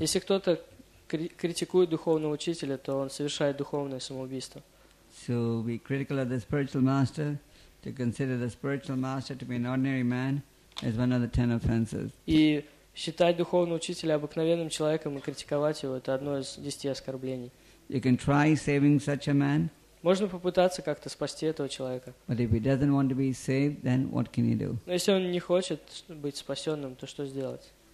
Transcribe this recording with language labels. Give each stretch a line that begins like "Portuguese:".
Russian: Если кто-то критикует духовного учителя, то он совершает духовное самоубийство.
English: So be critical of the spiritual master, to consider the spiritual master to be an ordinary man, is one of the 10 offenses.
Russian: И считать духовного учителя обыкновенным человеком и критиковать его — это одно из 10 оскорблений.
English: You can try saving such a man.
Russian: Можно попытаться как-то спасти этого человека.
English: But if he doesn't want to be saved, then what can he do?
Russian: Но если он не хочет быть спасенным, то что сделать?